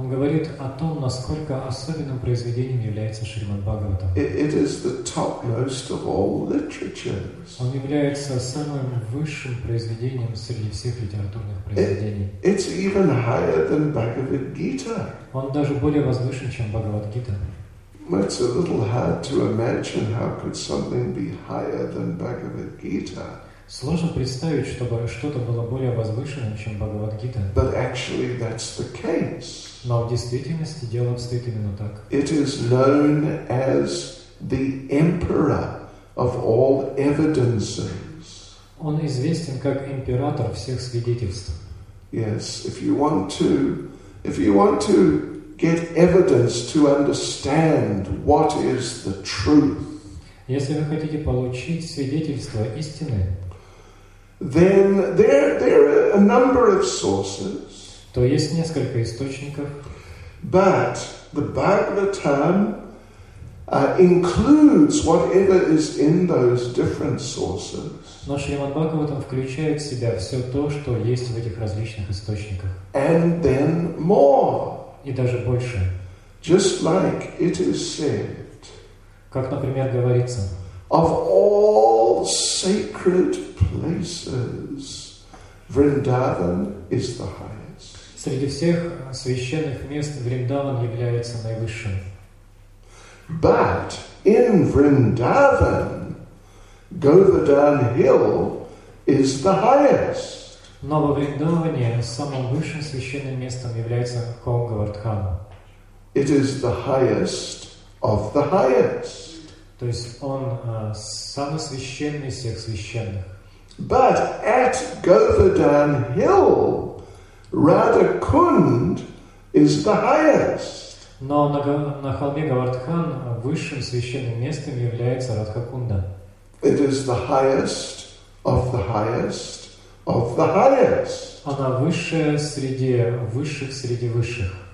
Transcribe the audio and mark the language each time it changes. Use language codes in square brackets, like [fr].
[ru] Он говорит о том, насколько особенным произведением является Шримад Бхагаватам. [en] It is the topmost of all literatures. [ru] Он является самым высшим произведением среди всех литературных произведений. [en] It's even higher than Bhagavad Gita. [ru] Он даже более возвышен, чем Бхагавад Гита. [en] It's a little hard to imagine how could something be higher than Bhagavad Gita. [ru] Сложно представить, чтобы что-то было более возвышенным, чем Бхагавад Гита. [en] But actually that's the case. [ru] Но в действительности дело обстоит именно так. [en] It is known as the emperor of all evidences. [ru] Он известен как император всех свидетельств. [en] Yes, if you want to get evidence to understand what is the truth. [ru] Если вы хотите получить свидетельство истины, [en] then there are a number of sources. [ru] То есть несколько источников. [en] But the Bhagavatam includes whatever is in those different sources. [ru] Но Шримад Бхагаватам включает в себя все то, что есть в этих различных источниках. [en] And then more. [ru] И даже больше. [en] Just like it is said. [ru] Как, например, говорится. [en] Of all sacred places, Vrindavan is the highest. [ru] Среди всех священных мест Вриндаван является наивысшим. [en] But in Vrindavan, Govardhan Hill is the highest. [ru] Но во Вриндаване самым высшим священным местом является холм Говардхан. [en] It is the highest of the highest. [ru] То есть он самый священный из всех священных. [en] But at Govardhan Hill, Radha Kund is the highest. [ru] Но на холме Говардхан высшим священным местом является Радха Кунда. [en] It is the highest of the highest of the highest. [ru] Она высшая среди высших.